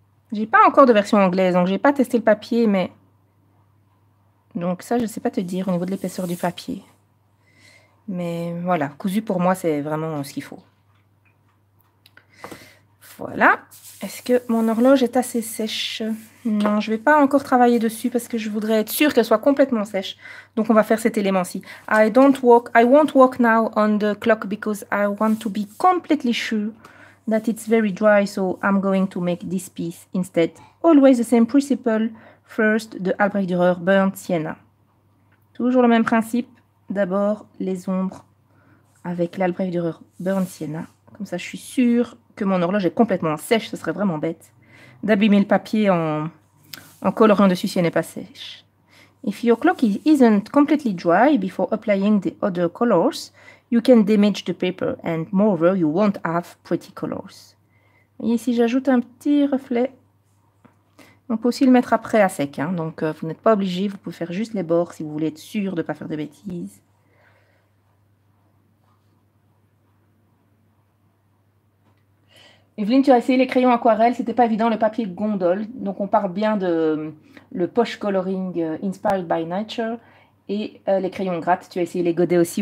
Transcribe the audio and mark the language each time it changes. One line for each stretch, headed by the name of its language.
French: J'ai pas encore de version anglaise, donc j'ai pas testé le papier, mais... Donc ça, je sais pas te dire au niveau de l'épaisseur du papier. Mais voilà, cousu pour moi, c'est vraiment ce qu'il faut. Voilà. Est-ce que mon horloge est assez sèche? Non, je ne vais pas encore travailler dessus parce que je voudrais être sûre qu'elle soit complètement sèche. Donc, on va faire cet élément-ci.
English: I won't walk now on the clock because I want to be completely sure that it's very dry. So, I'm going to make this piece instead. Always the same principle. First, the Albrecht Dürer burnt sienna.
French: Toujours le même principe. D'abord, les ombres avec l'Albrecht Dürer burnt sienna. Comme ça, je suis sûre que mon horloge est complètement sèche, ce serait vraiment bête d'abîmer le papier en coloriant dessus si elle n'est pas sèche.
English: If your clock isn't completely dry before applying the other colors, you can damage the paper and moreover, you won't have pretty colors.
French: Et si j'ajoute un petit reflet, on peut aussi le mettre après à sec. Hein, donc vous n'êtes pas obligé, vous pouvez faire juste les bords si vous voulez être sûr de ne pas faire de bêtises. Evelyne, tu as essayé les crayons aquarelles, c'était pas évident, le papier gondole. Donc on parle bien de le poche coloring Inspired by Nature et les crayons gratte. Tu as essayé les godets aussi.